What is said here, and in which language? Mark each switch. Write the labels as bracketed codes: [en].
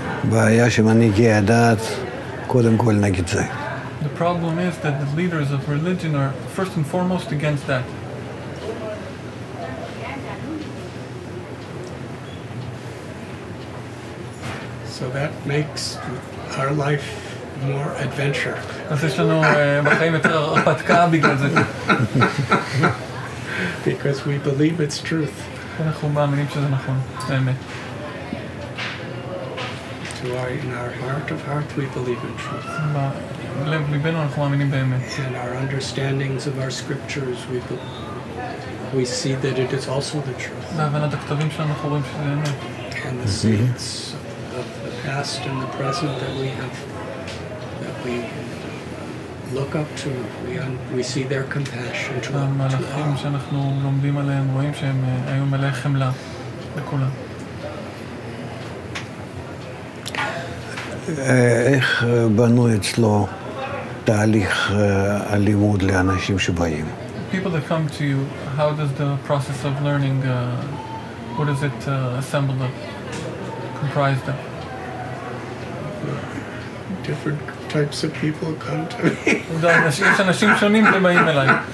[he] בעיה שמנהיגי הדת קודם כל נגד זה. [en] The problem is that the leaders of religion are first and foremost against that. So that makes our life more adventure. [he] אז יש לנו בחיים יותר הרפתקה בגלל זה. [en] Because we believe it's truth. [he] אנחנו מאמינים שזה נכון, האמת. [en] To our, in our heart of heart, we believe in truth. [he] בלב ליבנו אנחנו מאמינים באמת. [en] In our understandings of our scriptures, we see that it is also the truth. [he] בהבנת הכתבים שלנו אנחנו רואים שזה אמת. [en] And the seeds of the past and the present that we have we look up to we see their compassion to [he] them malachim שאנחנו לומדים עליהם רואים שהם היו מלאי חמלה לכולם. איך בנו אצלו תהליך הלימוד לאנשים שבאים? [en] People that come to you, how does the process of learning what is it assembled up, comprised of? Different types of people come to me. [he] יש אנשים שונים שבאים אליי.